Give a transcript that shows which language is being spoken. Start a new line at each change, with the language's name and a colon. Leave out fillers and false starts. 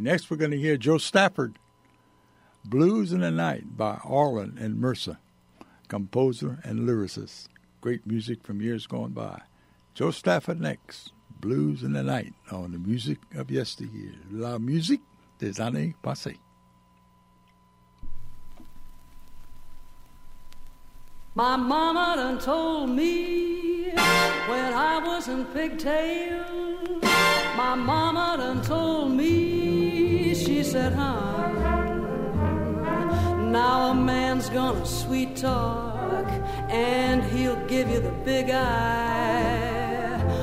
English: Next, we're going to hear Joe Stafford, Blues in the Night by Arlen and Mercer, composer and lyricist. Great music from years gone by. Joe Stafford next, Blues in the Night on the Music of Yesteryear.
French: La musique des années passées.
English: My mama done told me when I was in pigtail. My mama done told me, she said, "Huh, now a man's gonna sweet talk and he'll give you the big eye.